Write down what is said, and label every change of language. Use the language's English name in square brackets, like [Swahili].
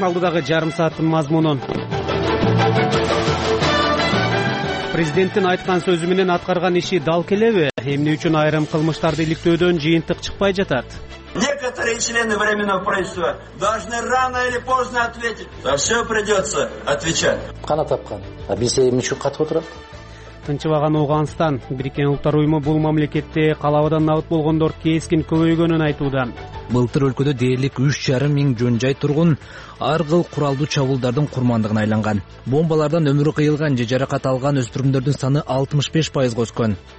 [Kyrgyz] Алдыдагы жарым сааттын мазмунун. Президенттин айткан сөзү менен аткарган иши дал келеби? Эмне үчүн айрым кылмыштарды иликтөөдөн жыйынтык чыкпай жатат? [Russian] Некоторые члены временного правительства должны рано или поздно ответить. За все придется отвечать. [Kyrgyz] Кана тапкан. А биз эмне үчүн катып отурат? Тынчыбаган Ооганстан, Бириккен Улуттар Уюму бул мамлекетте калаабадан набыт болгондор кескин көбөйгөнүн айтууда. Былтыр өлкөдө дээрлик 3,5 миң жөн жай тургун ар кыл куралдуу чабуулдардын курмандыгына айланган. Бомбалардан өмүрү кыйылган же жаракат алган өспүрүмдөрдүн саны 65% өскөн.